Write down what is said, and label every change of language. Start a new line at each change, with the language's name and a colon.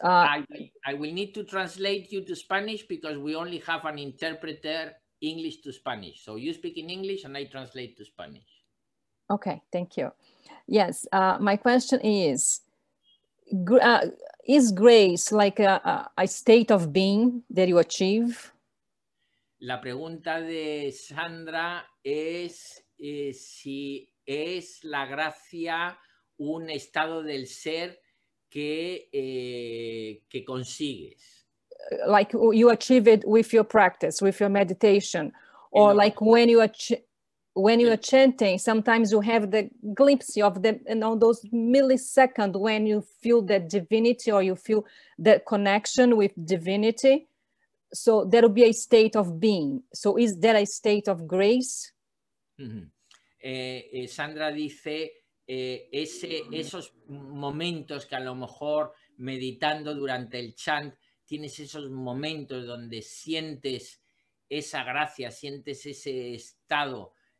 English: I will need to translate you to Spanish because we only have an interpreter, English to Spanish. So you speak in English and I translate to Spanish. Okay, thank you. Yes, my question is, is grace like a state of being that you achieve?
Spanish: La pregunta de Sandra es si es la gracia un estado del ser que consigues.
English: Like you achieve it with your practice, with your meditation, or like when you are chanting, sometimes you have the glimpse of the, and on those milliseconds when you feel that divinity or you feel that connection with divinity. So there will be a state of being. So is there a state of grace? Mm-hmm.
Spanish: Sandra dice, esos momentos que a lo mejor meditando durante el chant tienes esos momentos donde sientes esa gracia, sientes ese estado.